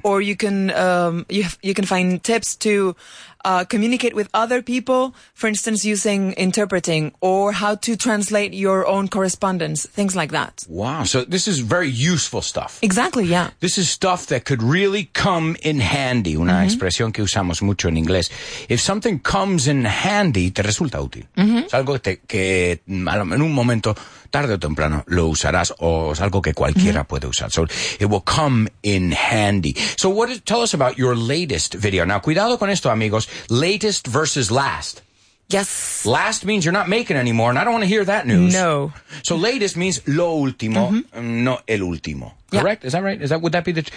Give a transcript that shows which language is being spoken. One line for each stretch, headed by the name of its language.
English: Or you can you can find tips to communicate with other people, for instance, using interpreting or how to translate your own correspondence, things like that. Wow. So this is very useful stuff. Exactly, yeah. This is stuff that could really come in handy, una mm-hmm.
Spanish: expresión que usamos mucho en inglés. If something comes in handy, te resulta útil. Mm-hmm. Es algo que en un momento, tarde o temprano, lo usarás o es algo que cualquiera mm-hmm.
English: puede usar. So it will come in handy. So what is, tell us about your latest video.
Spanish: Now, cuidado con esto, amigos. Latest versus last.
English: Yes. Last means you're not making anymore, and I don't want to hear that news. No. So latest means lo último, mm-hmm. no el último. Yeah. Correct? Is that right? Is that would that be the?